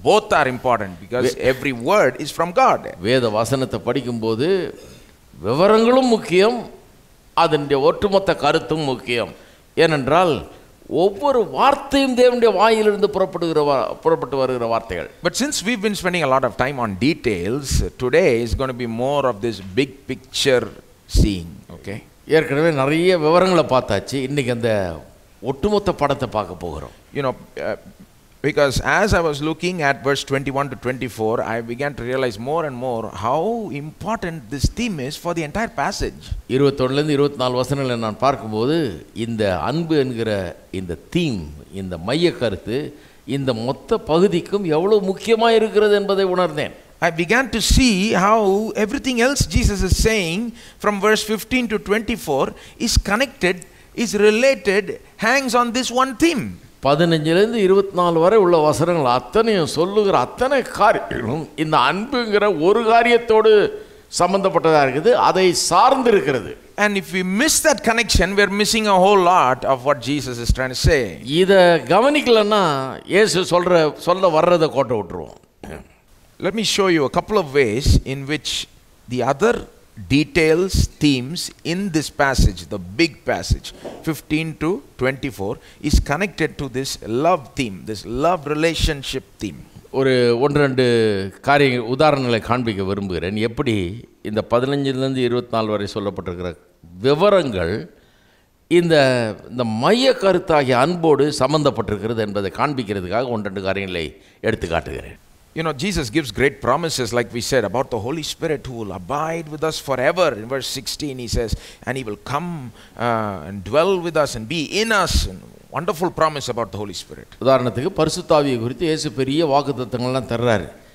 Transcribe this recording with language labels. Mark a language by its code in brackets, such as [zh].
[en] Both are important because every word is from God. [ta] Veda vasanatha padikkumbodhu vivarangalum mukkiyam adinde ottumotha karuthum mukkiyam enendral ஒவ்வொரு வார்த்தையும் தேவனுடைய வாயிலிருந்து புறப்பட்டு வருகிற வார்த்தைகள். [en] But since we've been spending a lot of time on details, today is gonna to be more of this big picture seeing. Okay, [ta] ஏற்கனவே நிறைய விவரங்களை பார்த்தாச்சு, இன்னைக்கு அந்த ஒட்டுமொத்த படத்தை பார்க்க போகிறோம். [en] You know, because as I was looking at verse 21 to 24, I began to realise more and more how important this theme is for the entire passage. [ta] 21-24 வசனங்களை நான் பார்க்கும்போது இந்த அன்பு என்கிற இந்த தீம், இந்த மைய கருத்து இந்த மொத்த பகுதிக்கும் எவ்வளவு முக்கியமாக இருக்கிறது என்பதை உணர்ந்தேன். [en] I began to see how everything else Jesus is saying from verse 15 to 24 is connected, is related, hangs on this one theme. [ta] 15-24 வரை உள்ள வசனங்கள் அத்தனை சொல்லுகிற அத்தனை காரியமும் இந்த அன்புங்கிற ஒரு காரியத்தோடு சம்பந்தப்பட்டதா இருக்குது, அதை சார்ந்து இருக்கிறது. [en] And if we miss that connection, we are missing a whole lot of what Jesus is trying to say. [ta] இத கவனிக்கலனா இயேசு சொல்ல வர்றத கோட்ட விட்டுருவோம். [en] Let me show you a couple of ways in which the other details, themes in this passage, the big passage 15 to 24, is connected to this love theme, this love relationship theme. [ta] ஒரு ஒன்று ரெண்டு காரிய உதாரணங்களை காண்பிக்க விரும்புகிறேன். எப்படி இந்த 15-24 வரை சொல்லப்பட்டிருக்கிற விவரங்கள் இந்த மைய கருத்தாகிய அன்போடு சம்பந்தப்பட்டிருக்கிறது என்பதை காண்பிக்கிறதுக்காக ஒன்று ரெண்டு காரியங்களை எடுத்து காட்டுகிறேன். [en] You know, Jesus gives great promises, like we said, about the Holy Spirit who will abide with us forever. In verse 16, he says, and he will come and dwell with us and be in us. And wonderful promise about the Holy Spirit. [ta] உதாரணத்துக்கு பரிசுத்தாவிய குறித்து இயேசு பெரிய வாக்குத்தத்தங்கள்லாம் தர்றாரு.